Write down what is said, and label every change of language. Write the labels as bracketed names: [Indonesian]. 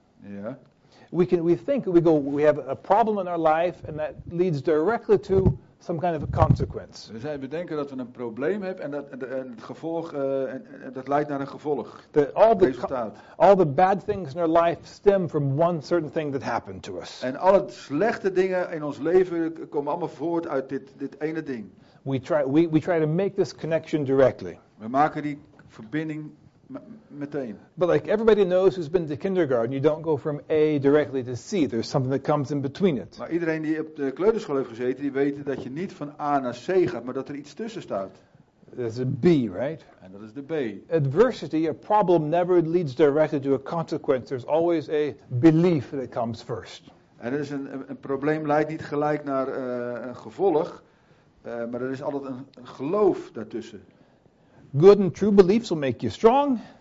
[English] Yeah. We have a problem in our life and that leads directly to some kind of a consequence. [Dutch] We denken dat we een probleem hebben en dat leidt naar een gevolg. [English] All the bad things in our life stem from one certain thing that happened to us. [Dutch] En alle slechte dingen in ons leven komen allemaal voort uit dit ene ding. [English] We try to make this connection directly. [Dutch] We maken die verbinding meteen. [English] But like everybody knows who's been to kindergarten, you don't go from A directly to C. There's something that comes in between it. [Dutch] Maar iedereen die op de kleuterschool heeft gezeten, die weten dat je niet van A naar C gaat, maar dat er iets tussen staat. [English] There's a B, right? [Dutch] En dat is de B. [English] Adversity, a problem, never leads directly to a consequence. There's always a belief that comes first. [Dutch] En er is een probleem leidt niet gelijk naar een gevolg, maar er is altijd een geloof daartussen. [English] Good and true beliefs will make you strong.